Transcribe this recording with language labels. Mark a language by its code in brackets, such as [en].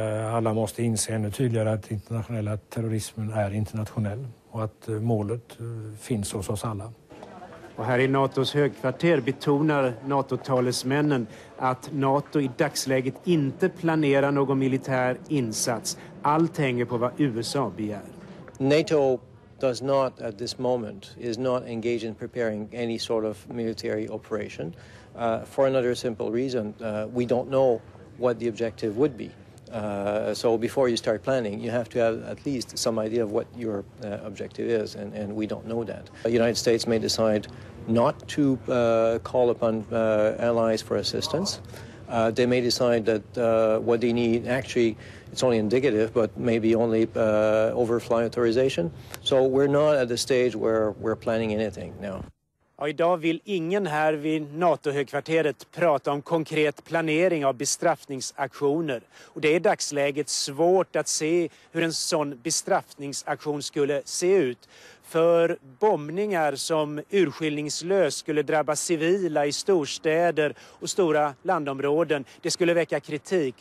[sv] Alla måste inse ännu tydligare att internationella terrorismen är internationell och att målet finns hos oss alla. Och här i NATOs högkvarter betonar NATO-talesmännen att NATO i dagsläget inte planerar någon militär insats. Allt hänger på vad USA begär. [en] NATO does not at this moment is not engaged in preparing any sort of military operation for another simple reason. We don't know what the objective would be. So before you start planning, you have to have at least some idea of what your objective is, and we don't know that. The United States may decide not to call upon allies for assistance. They may decide that what they need, actually, it's only indicative, but maybe only overfly authorization. So we're not at the stage where we're planning anything now. [sv] Och idag vill ingen här vid NATO-högkvarteret prata om konkret planering av bestraffningsaktioner. Och det är i dagsläget svårt att se hur en sån bestraffningsaktion skulle se ut. För bombningar som urskillningslöst skulle drabba civila i storstäder och stora landområden, det skulle väcka kritik.